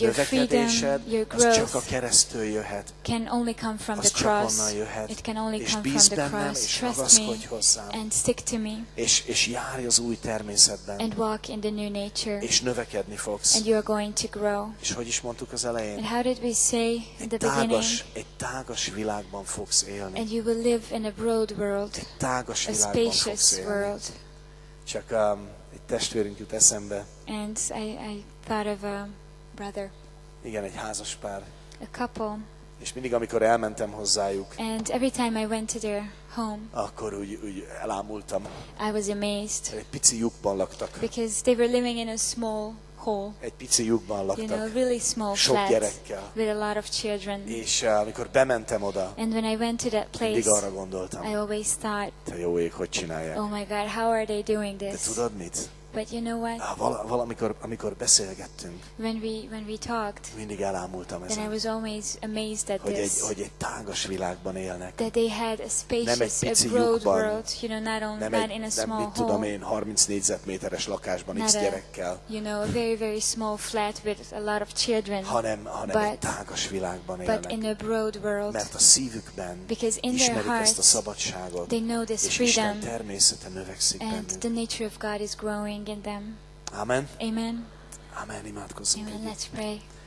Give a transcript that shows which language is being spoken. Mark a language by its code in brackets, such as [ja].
[hu] a növekedésed, az csak a keresztül jöhet. [en] Can only come from the cross. It can only come from the cross. Trust me and stick to me. [hu] És járj az új természetben. [en] And walk in the new nature. [hu] És növekedni fogsz. [en] And you are going to grow. [hu] És hogy is mondtuk az elején? [en] And how did we say in the beginning? [hu] Egy tágas világban fogsz élni. [en] And you will live in a broad world. [hu] Egy tágas világban fogsz élni. [en] A spacious world. [hu] Csak egy testvérünk jut eszembe. [en] And I thought of a brother. [hu] Igen, egy házas pár. [en] A couple. [hu] És mindig, amikor elmentem hozzájuk, [en] and every time I went to their home, [hu] akkor úgy elámultam. [en] I was amazed. [hu] Egy pici lyukban laktak. [en] Because they were living in a small hole. [hu] Egy pici lyukban laktak. [en] You know, really small [hu] sok [en] flat, [hu] gyerekkel. [en] With a lot of children. [hu] És amikor bementem oda, [en] and when I went to that place, [hu] mindig arra gondoltam. [en] I always thought, [hu] te jó ég, hogy csinálják? [en] Oh my God, how are they doing this? [hu] De tudod mit? [en] But you know what? [hu] Valamikor beszélgettünk. [en] When we talked. [hu] Mindig elámultam ezen. [en] Then I was always amazed at [hu] hogy [en] this. [hu] Hogy egy tágas világban élnek. [en] That they had a spacious, [hu] a [en] broad [hu] lyukban, [en] world. You know, not only [hu] nem [en] not in a small [hu] nem, tudom én, 30 négyzetméteres lakásban is gyerekkel. [en] You know, a very very small flat with a lot of children. [hu] Hanem egy tágas világban élnek. [en] But in a broad world. [hu] Mert a szívükben. [en] Because in their hearts. [hu] Ismerik ezt a szabadságot. [en] They know this freedom. [hu] Isten természete növekszik bennük. [en] And the nature of God is growing. Them. Amen. Amen. [hu] Amen. Imádkozzunk. [en] Amen. [hu] Együtt. [en] Let's pray.